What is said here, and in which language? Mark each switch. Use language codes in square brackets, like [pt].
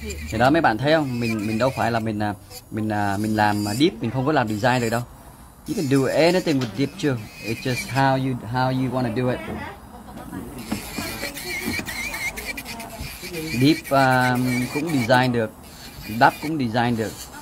[vi] Thì đó mấy bạn thấy không, mình đâu phải là mình làm deep, mình không có làm design được đâu. [en] You can do anything with deep too. It's just how you want to do it. [vi] Deep cũng design được, đắp cũng design được.